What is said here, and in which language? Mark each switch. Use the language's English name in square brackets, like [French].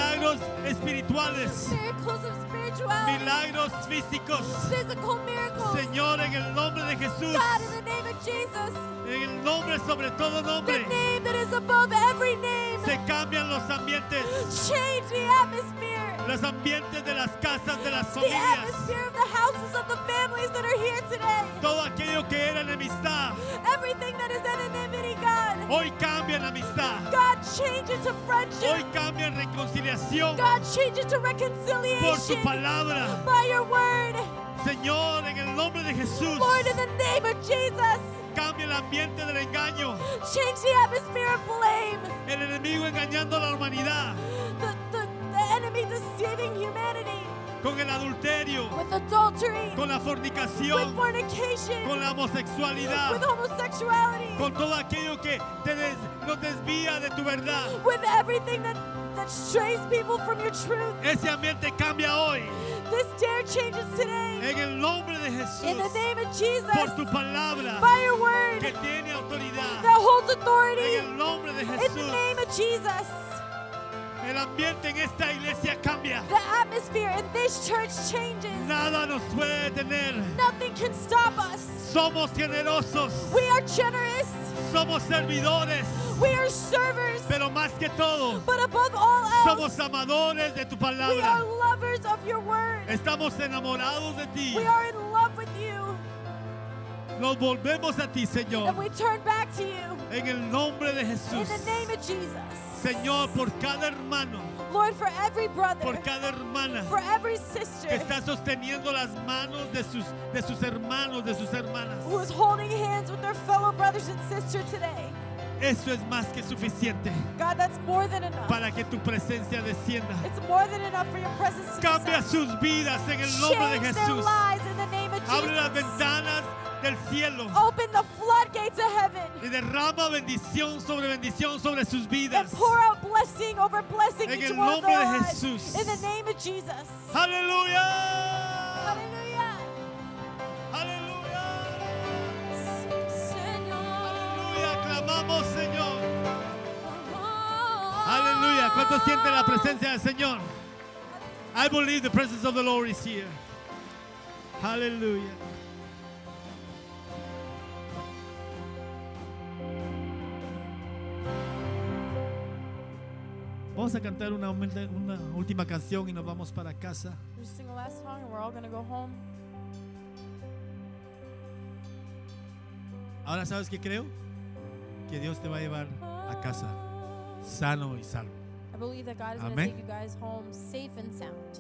[Spanish] milagros espirituales, milagros físicos, Señor, en el nombre de Jesús, [English] God, in the name of Jesus, [Spanish] en el nombre sobre todo nombre, [English] the name that is above every name, [Spanish] se cambian los ambientes, [English] change the atmosphere, [Spanish] los ambientes de las casas, de las familias, [English] the atmosphere of the houses of the families that are here today, [Spanish] todo aquello que era enemistad, [English] everything that is enemity, God, [Spanish] hoy cambia la amistad, [English] God, change it to friendship, [Spanish] hoy cambia en reconciliación, [English] God, change it to reconciliation, [Spanish] por tu palabra, [English] by your word, [Spanish] Señor, en el nombre de Jesús, [English] Lord, in the name of Jesus, [Spanish] cambia el ambiente del engaño, [English] change the atmosphere of blame, [Spanish] el enemigo engañando a la humanidad, [English] the enemy deceiving humanity, [Spanish] con el adulterio, [English] with adultery, [Spanish] con la fornicación, [English] with fornication, [Spanish] con la homosexualidad, [English] with homosexuality, [Spanish] con todo aquello que nos desvía de tu verdad, [English] with everything that strays people from your truth, [Spanish] ese ambiente cambia hoy, [English] this dare changes today, [Spanish] en el nombre de Jesús, [English] in the name of Jesus, [Spanish] por tu palabra, [English] by your word, [Spanish] que tiene autoridad, [English] that holds authority, [Spanish] en el nombre de Jesús, [English] in the name of Jesus. [Spanish] El ambiente en esta iglesia cambia. [English] The atmosphere in this church changes. [Spanish] Nada nos puede detener. [English] Nothing can stop us. [Spanish] Somos generosos. [English] We are generous. [Spanish] Somos servidores. [English] We are servers. [Spanish] Pero más que todo, [English] but above all else, [Spanish] somos amadores de tu palabra. [English] We are lovers of your word. [Spanish] Estamos enamorados de ti. [English] We are in love with you. [Spanish] Nos volvemos a ti, Señor. [English] And we turn back to you. [Spanish] En el nombre de Jesús. [English] In the name of Jesus. [Spanish] Señor, por cada hermano, [English] Lord, for every brother, [Spanish] por cada hermana, [English] for every sister, [Spanish] que está sosteniendo las manos de sus hermanos, de sus hermanas, [English] who is holding hands with their fellow brothers and sisters today. [Spanish] Eso es más que suficiente. [English] God, that's more than enough. [Spanish] Para que tu presencia descienda. [English] It's more than enough for your presence to descend. [Spanish] Cambia sus vidas en el nombre de Jesús. [English] Change their lives in the name of Jesus. [Spanish] Abre las ventanas del cielo. [English] Open the floodgates of heaven. [Spanish] Y derrama bendición sobre sus vidas. [English] And pour out blessing over blessing [Spanish] en el nombre de Jesús. [English] In the name of Jesus. [Spanish] Aleluya. Aleluya. Aleluya. Señor. Aleluya. Clamamos, Señor. Oh. Aleluya. ¿Cuánto siente la presencia del Señor? [English] I believe the presence of the Lord is here. [Spanish] Aleluya. Vamos a cantar una última canción y nos vamos para casa. [English] We're just singing the last song and we're all going to go home. [Spanish] Ahora sabes qué creo? Que Dios te va a llevar a casa sano y salvo. [English] I believe that God is going to take you guys home safe and sound.